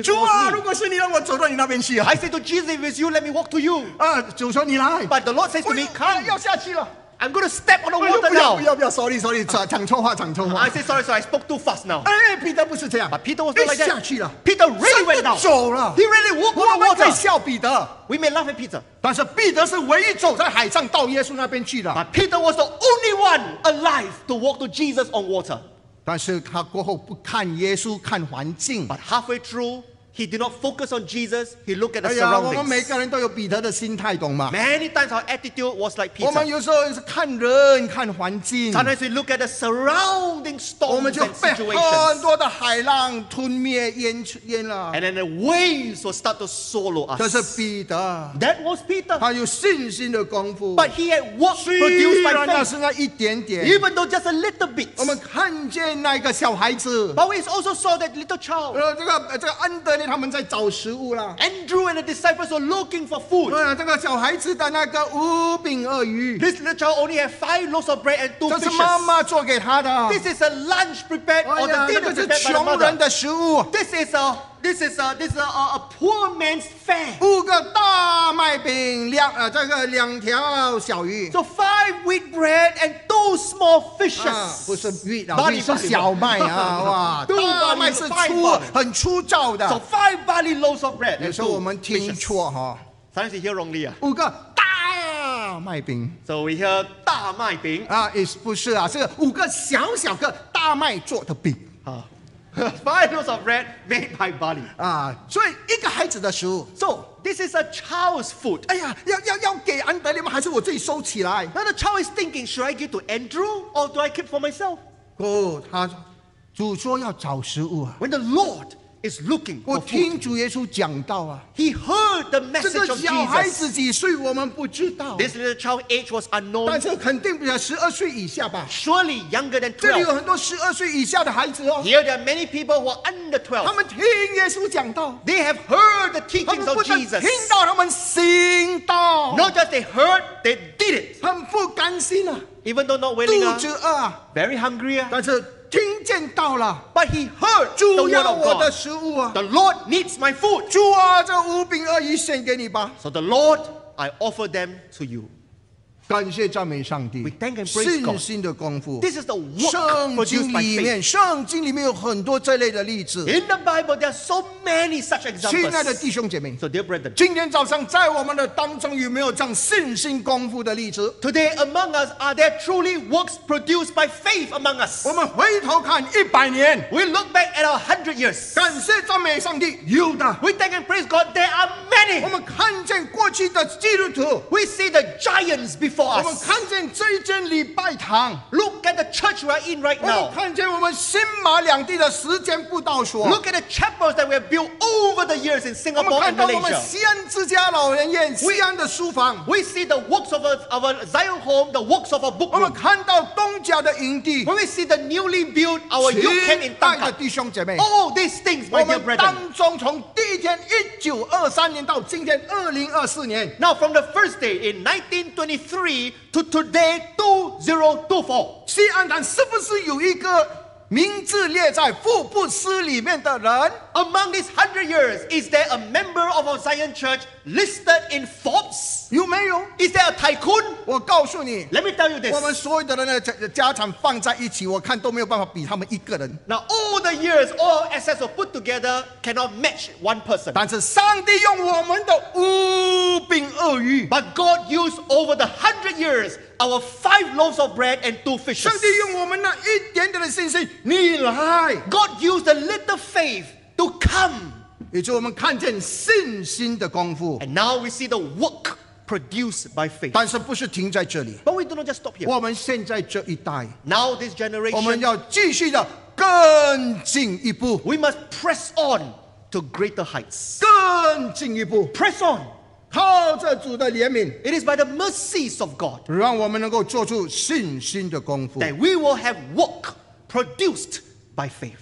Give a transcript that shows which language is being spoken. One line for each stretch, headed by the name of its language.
Chinese: 主啊，如果是你，让我走到你那边去啊
English: I say to Jesus, if it's you, let me walk to you.
Chinese: 主说你来
English: But the Lord says to me, come.
Chinese: 我要下去了
English: I'm going to step on the water now.
Chinese: 不要 ，sorry， 讲错话。
English: I say sorry, I spoke too fast now.
Chinese: 哎 ，Peter 不是这样
English: ，but Peter was not like that.
Chinese: 下去了
English: ，Peter really went down.
Chinese: 走了
English: ，he really walked on the water.
Chinese: 我在笑彼得
English: ，we may laugh at Peter.
Chinese: 但是彼得是唯一走在海上到耶稣那边去的
English: ，but Peter was the only one alive to walk to Jesus on water.
Chinese: 但是他过后不看耶稣，看环境
English: ，but halfway through. He did not focus on Jesus. He looked at the surroundings.
Chinese: 哎呀，我们每个人都有彼得的心态，懂吗
English: ？Many times our attitude was like Peter.
Chinese: 我们有时候是看人，看环境。
English: Sometimes we look at the surrounding storms and situations.
Chinese: 我们就被很多的海浪吞灭淹了。
English: And then the waves will start to swallow us.
Chinese: 这是彼得。
English: That was Peter.
Chinese: 他有信心的功夫。
English: But he had work produced by faith.
Chinese: 虽然那是那一点点。
English: Even though just a little bit.
Chinese: 我们看见那个小孩子。
English: But we also saw that little child.
Chinese: 这个 under. 他们在找食物了。
English: Andrew and the disciples were looking for food.
Chinese: 这个小孩子的那个五饼二鱼。
English: This little child only had 5 loaves of bread and 2 fishes.
Chinese: 这是妈妈做给他的。
English: This is a lunch prepared or the dinner prepared by the mother.
Chinese: 这个是穷人的食物。
English: This is a poor man's fare.
Chinese: 五个大麦饼，两条小鱼。
English: So 5 wheat bread and 2 small fishes.
Chinese: 不是 wheat 啊，是小麦啊，哇，大麦是粗，很粗糙的。
English: So 5 barley loaves of bread.
Chinese: 有时候我们听错哈。
English: Sometimes you hear wrongly 啊。
Chinese: 五个大麦饼。
English: So we hear 大麦饼。
Chinese: 啊，不是啊，是五个小小个大麦做的饼。
English: five loaves of bread made by barley.
Chinese: 啊，所以一个孩子的食物。
English: So this is a child's food.
Chinese: 哎呀，要给安德烈吗？还是我自己收起来
English: ？Now the child is thinking, should I give to Andrew or do I keep for myself?
Chinese: 哦，他主说要找食物啊。
English: When the Lord is looking for food.
Chinese: 我听主耶稣讲到啊。
English: He heard the message of Jesus.
Chinese: 这个小孩子几岁我们不知道。
English: This little child's age was unknown.
Chinese: 但是肯定比较12岁以下吧。
English: Surely younger than
Chinese: 12. 这里有很多12岁以下的孩子哦。
English: Here there are many people who are under 12.
Chinese: 他们听耶稣讲道。
English: They have heard the teachings of Jesus.
Chinese: 他们不但听到，他们行道。
English: Not just they heard, they did it.
Chinese: 很不甘心啊。
English: Even though not willing
Chinese: 啊。肚子饿啊。
English: Very hungry 啊。
Chinese: 但是听见到了
English: ，But he heard the word of God.
Chinese: 主要我的食物啊
English: ，The Lord needs my food.
Chinese: 主啊，这五饼二鱼献给你吧。
English: So the Lord, I offer them to you.
Chinese: 感谢赞美上帝。
English: We thank and praise God.
Chinese: 信心的功夫。
English: This is the work produced by faith.
Chinese: 圣经里面，圣经里面有很多这类的例子。
English: In the Bible, there are so many such examples.
Chinese: 亲爱的弟兄姐妹
English: ，So dear brethren,
Chinese: 今天早上在我们的当中有没有这样信心功夫的例子
English: ？Today among us, are there truly works produced by faith among us?
Chinese: 我们回头看一百年
English: ，We look back at 100 years.
Chinese: 感谢赞美上帝，有的。
English: We thank and praise God. There are many.
Chinese: 我们看见过去的基督徒
English: ，We see the giants before us.
Chinese: 我们看见这一间礼拜堂
English: ，Look at the church we are in right now.
Chinese: 我们看见我们新马两地的时间步道所
English: ，Look at the chapels that we have built over the years in Singapore and Malaysia.
Chinese: 我们看到我们西安自家老人院、西安的书房
English: ，We see the works of our Zion home, the works of our book room.
Chinese: 我们看到东家的营地
English: ，When we see the newly built our youth camp in Tangka.
Chinese: 亲爱的弟兄姐妹
English: ，All these things, my dear brethren.
Chinese: 我们当中从第一天1923年到今天2024年
English: ，Now from the first day in 1923 to today 2024,
Chinese: 西安堂是不是有一个？名字列在福布斯里面的人
English: ，Among these 100 years, is there a member of our Zion Church listed in Forbes?
Chinese: 有没有
English: ？Is there a tycoon?
Chinese: 我告诉你
English: ，Let me tell you this.
Chinese: 我们所有的人的家产放在一起，我看都没有办法比他们一个人。
English: Now all the years, all assets were put together, cannot match one person.
Chinese: 但是上帝用我们的五饼二鱼
English: ，But God used over the 100 years. Our five loaves of bread and two fishes.
Chinese: 上帝用我们那一点点的信心，你来。
English: God used a little faith to come.
Chinese: 也就我们看见信心的功夫。
English: And now we see the work produced by faith.
Chinese: 但是不是停在这里。
English: But we do not just stop here.
Chinese: 我们现在这一代。
English: Now this generation.
Chinese: 我们要继续的更进一步。
English: We must press on to greater heights.
Chinese: 更进一步。
English: Press on.
Chinese: 靠着主的怜悯
English: ，It is by the mercies of God，
Chinese: 让我们能够做出信心的功夫
English: ，That we will have work produced by faith。